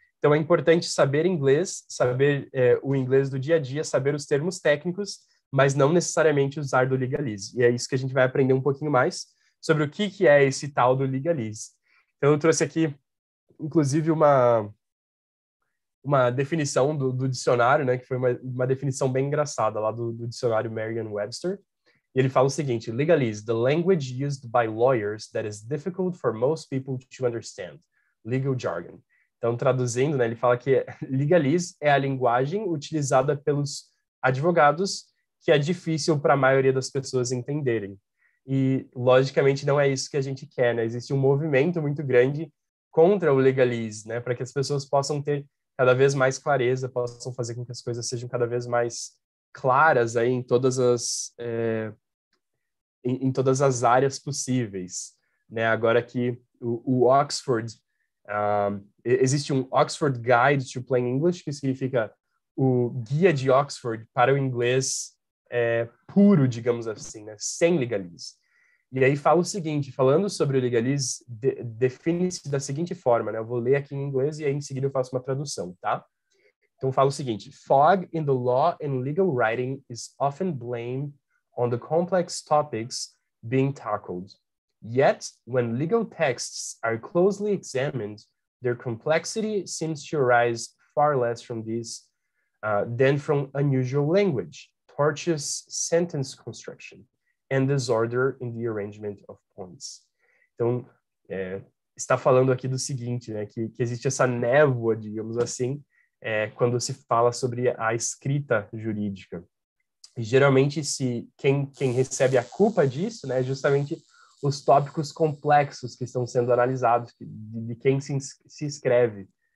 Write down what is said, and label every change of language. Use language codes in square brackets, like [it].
[pt] Então, é importante saber inglês, saber o inglês do dia a dia, saber os termos técnicos, mas não necessariamente usar do legalese. E é isso que a gente vai aprender um pouquinho mais sobre o que é esse tal do legalese. Então, eu trouxe aqui, inclusive, uma definição do dicionário, né, que foi uma definição bem engraçada lá do dicionário Merriam-Webster. E ele fala o seguinte: [en] legalese, the language used by lawyers that is difficult for most people to understand. Legal jargon. [pt] Então, traduzindo, né, ele fala que legalese é a linguagem utilizada pelos advogados que é difícil para a maioria das pessoas entenderem. E, logicamente, não é isso que a gente quer, né? Existe um movimento muito grande contra o legalese, né? Para que as pessoas possam ter cada vez mais clareza, possam fazer com que as coisas sejam cada vez mais claras aí em todas as em todas as áreas possíveis, né? Agora que o Oxford, existe um Oxford Guide to Plain English, que significa o guia de Oxford para o inglês puro, digamos assim, né? Sem legalese. E aí fala o seguinte, falando sobre o legalese, define-se da seguinte forma, né? Eu vou ler aqui em inglês e aí em seguida eu faço uma tradução, tá? Então fala o seguinte: [en] fog in the law and legal writing is often blamed on the complex topics being tackled. Yet, when legal texts are closely examined, their complexity seems to arise far less from this than from unusual language, tortuous sentence construction, and disorder in the arrangement of points. [pt] Então, está falando aqui do seguinte, né, que existe essa névoa, digamos assim, quando se fala sobre a escrita jurídica. E geralmente, quem recebe a culpa disso, né, justamente os tópicos complexos que estão sendo analisados, de quem se escreve.